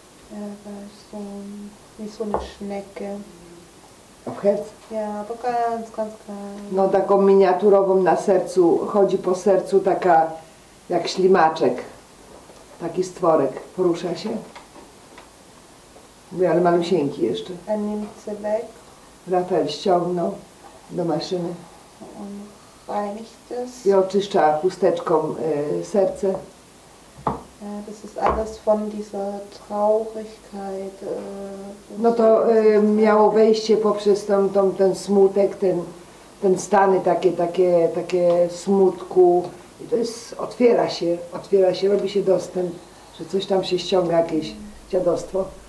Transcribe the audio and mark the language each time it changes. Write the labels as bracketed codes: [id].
[de] Ja, da ist so, wie so eine Schnecke. Auf Herz? Ja, aber ganz, ganz klein. [pl] No, taką miniaturową na sercu, chodzi po sercu taka jak ślimaczek, taki stworek, porusza się. Mówię, ale malusieńki jeszcze. [de] Er nimmt sie weg. [pl] Rafael ściągnął do maszyny [de] und reinigt es. [pl] i oczyszcza chusteczką serce. [de] Ja, das ist alles von dieser Traurigkeit. [pl] No to miało wejście poprzez ten smutek, ten stany takie smutku. I to jest, otwiera się, robi się dostęp, że coś tam się ściąga, jakieś dziadostwo.